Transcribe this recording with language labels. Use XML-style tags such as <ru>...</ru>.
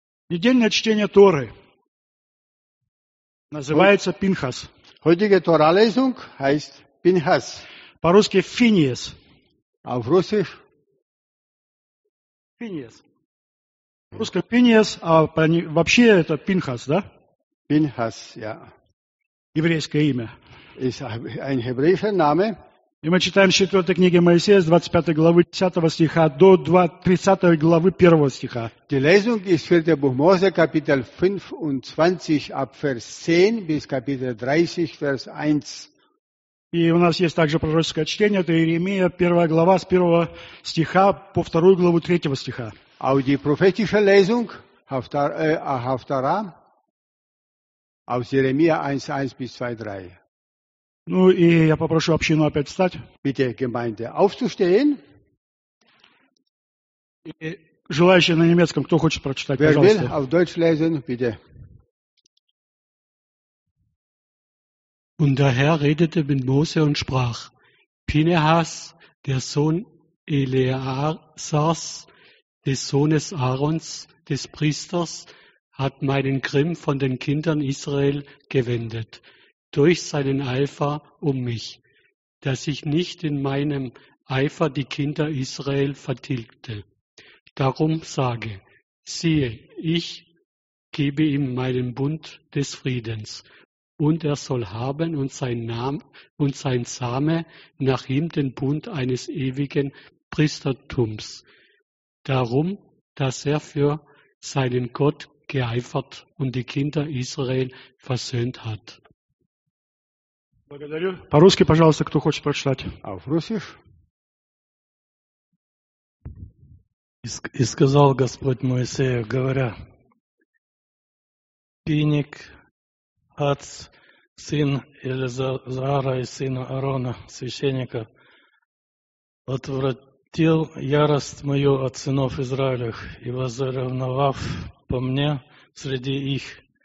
<ru>Недельное чтение Торы называется Пинхас.</ru> <de>Heutige Torah-Lesung heißt Пинхас.</de> <ru>По-русски Финиес. А в Русских? Финиес. В русском Финиес, а вообще это Пинхас, да? Пинхас, я. Еврейское имя.</ru> <de>Ist ein hebräischer Name.</de> <ru>И мы читаем с 4 книги Моисея, с 25 главы 10 стиха до 30 главы 1 стиха.</ru> <de>Die Lesung ist 4. Buch Mose, Kapitel 25, ab Vers 10 bis Kapitel 30, Vers 1.</de> <ru>И у нас есть также пророческое чтение, это Иеремия, 1 глава, с 1 стиха по 2 главу 3 стиха.</ru> <de>Auch die prophetische Lesung, Haftara, aus Jeremia 1, 1 bis 2, 3.</de> <ru>Ну и я попрошу общину опять встать.</ru> <de>Bitte Gemeinde aufzustehen.</de> <ru>И желающие на немецком, кто хочет прочитать, пожалуйста.</ru> <de>Wer will auf Deutsch lesen, bitte. Und der Herr redete mit Mose und sprach: Pinhas, der Sohn Eleazars, des Sohnes Aarons, des Priesters, hat meinen Grimm von den Kindern Israel gewendet, durch seinen Eifer um mich, dass ich nicht in meinem Eifer die Kinder Israel vertilgte. Darum sage: Siehe, ich gebe ihm meinen Bund des Friedens. Und er soll haben und sein Name und sein Same nach ihm den Bund eines ewigen Priestertums. Darum, dass er für seinen Gott geeifert und die Kinder Israel versöhnt hat.</de> <ru>Благодарю. По-русски, пожалуйста, кто хочет прочитать.</ru> <de>Auf Russisch.</de> <ru>И сказал Господь Моисею, говоря: Пиник, Ац, сын Элизара и сына Аарона, священника, отвратил ярость мою от сынов Израилевых и возревновав по мне среди их.</ru>